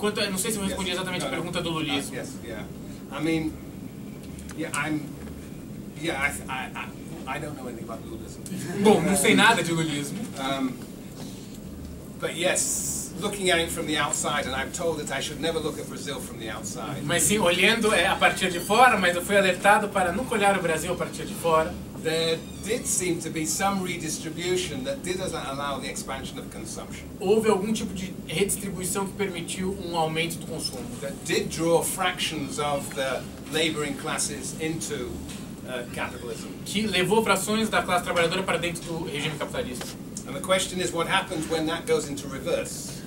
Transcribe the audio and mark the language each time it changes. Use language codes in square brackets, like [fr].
[pt] Não sei se eu respondi exatamente a pergunta do Lulismo. [en] Yes, yeah. I mean, yeah, I'm Yeah, I don't know anything about Lulism. [pt] Bom, não sei nada de Lulismo. [en] But yes, looking at it from the outside, and I'm told that I should never look at Brazil from the outside. [pt] Mas sim, olhando a partir de fora, mas eu fui alertado para nunca olhar o Brasil a partir de fora. [en] There did seem to be some redistribution that did allow the expansion of consumption. [pt] Houve algum tipo de redistribuição que permitiu aumento do consumo. [en] That did draw fractions of the laboring classes into capitalism. [pt] Que levou frações da classe trabalhadora para dentro do regime capitalista. [en] And the question is what happens when that goes into reverse.